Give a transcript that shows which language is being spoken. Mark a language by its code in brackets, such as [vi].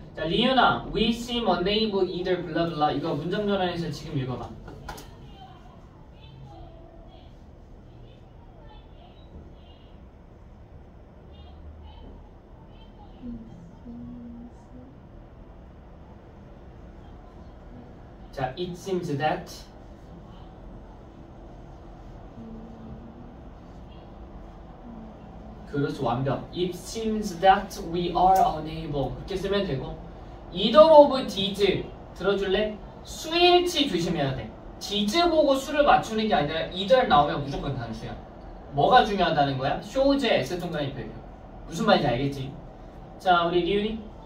[en] 자, 리유나, we seem unable either blah blah. [ko] 이거 문장 전환해서 지금 읽어봐. [en] 자, it seems that [ko] 그렇죠, 완벽. [en] It seems that we are unable. [ko] 그렇게 쓰면 되고 [en] either of did [ko] 들어줄래? 수일치 조심해야 돼. did 보고 수를 맞추는 게 아니라 either 나오면 무조건 단수야. 뭐가 중요하다는 거야? shows S 동그라미 표현. 무슨 말인지 알겠지? 자, 우리 리윤이.